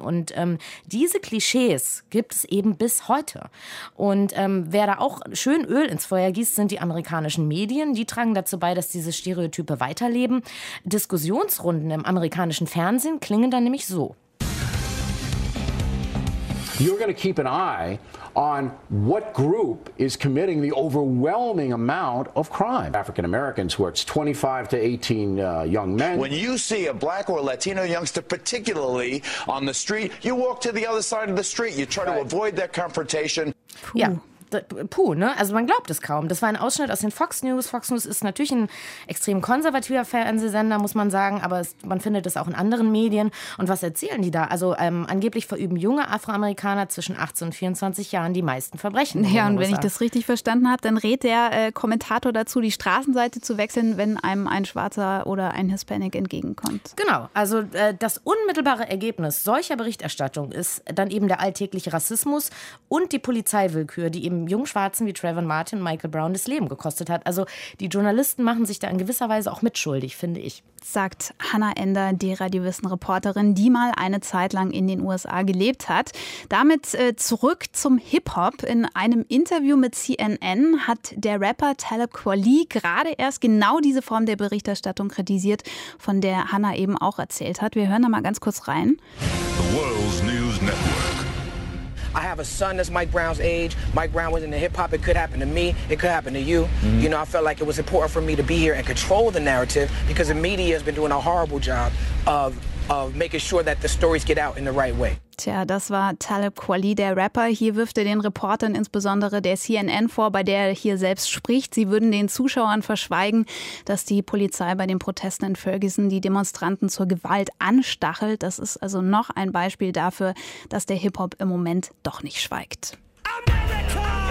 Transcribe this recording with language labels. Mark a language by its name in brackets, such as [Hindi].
[German] Und diese Klischees gibt es eben bis heute. Und wer da auch schön Öl ins Feuer gießt, sind die amerikanischen Medien. Die tragen dazu bei, dass diese Stereotype weiterleben. Diskussionsrunden im amerikanischen Fernsehen klingen dann nämlich so. [English] you're going to keep an eye on what group is committing the overwhelming amount of crime. African Americans, where it's 25 to 18 young men. When you see a black or Latino youngster, particularly on the street, you walk to the other side of the street. You try to avoid that confrontation. [German] Yeah. Puh, ne? Also man glaubt es kaum. Das war ein Ausschnitt aus den Fox News. Fox News ist natürlich ein extrem konservativer Fernsehsender, muss man sagen, aber man findet es auch in anderen Medien. Und was erzählen die da? Also angeblich verüben junge Afroamerikaner zwischen 18 und 24 Jahren die meisten Verbrechen. Ja, und wenn ich das richtig verstanden habe, dann rät der Kommentator dazu, die Straßenseite zu wechseln, wenn einem ein Schwarzer oder ein Hispanic entgegenkommt. Genau, also das unmittelbare Ergebnis solcher Berichterstattung ist dann eben der alltägliche Rassismus und die Polizeiwillkür, die eben Jungschwarzen wie Trayvon Martin, Michael Brown das Leben gekostet hat. Also die Journalisten machen sich da in gewisser Weise auch mitschuldig, finde ich. Sagt Hannah Ender, die Radiowissen-Reporterin, die mal eine Zeit lang in den USA gelebt hat. Damit zurück zum Hip-Hop. In einem Interview mit CNN hat der Rapper Talib Kweli gerade erst genau diese Form der Berichterstattung kritisiert, von der Hannah eben auch erzählt hat. Wir hören da mal ganz kurz rein. [English] The World's News Network. I have a son that's Mike Brown's age. Mike Brown was in the hip-hop. It could happen to me. It could happen to you. Mm-hmm. You know, I felt like it was important for me to be here and control the narrative because the media has been doing a horrible job of making sure that the stories get out in the right way. [German] Tja, das war Talib Kweli, der Rapper. Hier wirft er den Reportern insbesondere der CNN vor, bei der er hier selbst spricht. Sie würden den Zuschauern verschweigen, dass die Polizei bei den Protesten in Ferguson die Demonstranten zur Gewalt anstachelt. Das ist also noch ein Beispiel dafür, dass der Hip-Hop im Moment doch nicht schweigt. America!